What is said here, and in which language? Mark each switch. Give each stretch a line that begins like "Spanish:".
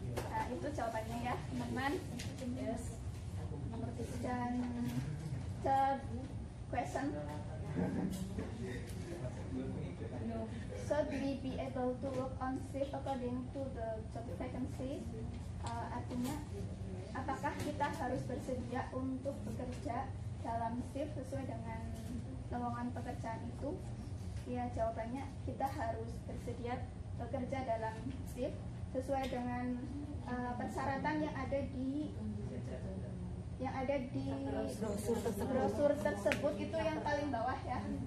Indonesian: Nah, itu jawabannya ya teman-teman.
English: Yes. Dan third question, should we be able to work on shift according to the job vacancy?
Indonesian: Artinya, apakah kita harus bersedia untuk bekerja dalam shift sesuai dengan lowongan pekerjaan itu? Ya, jawabannya kita harus bersedia bekerja dalam shift sesuai dengan persyaratan yang ada di brosur tersebut, itu yang paling bawah ya.